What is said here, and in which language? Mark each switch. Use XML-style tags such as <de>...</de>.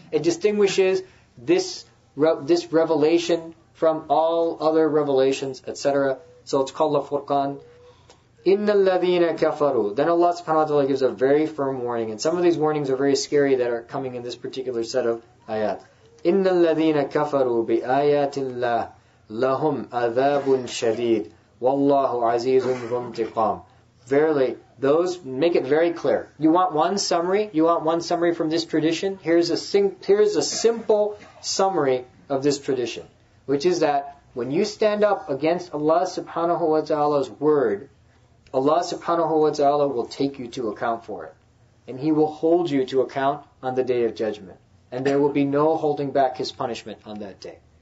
<en>It distinguishes this revelation from all other revelations, etc. So it's called the Furqan.</en> <ar>إِنَّ الَّذِينَ كَفَرُوا</ar> <en>Then Allah subhanahu wa ta'ala gives a very firm warning. And some of these warnings are very scary that are coming in this particular set of ayat.</en> <ar>إِنَّ الَّذِينَ كَفَرُوا بِآيَاتِ اللَّهِ لَهُمْ عَذَابٌ شَدِيدٌ وَاللَّهُ عَزِيزٌ مُنْتِقَامٌ</ar> <en>Verily, those make it very clear. You want one summary? You want one summary from this tradition? Here's a simple summary of this tradition, which is that when you stand up against Allah subhanahu wa ta'ala's word, Allah subhanahu wa ta'ala will take you to account for it. And He will hold you to account on the Day of Judgment. And there will be no holding back His punishment on that day.</en>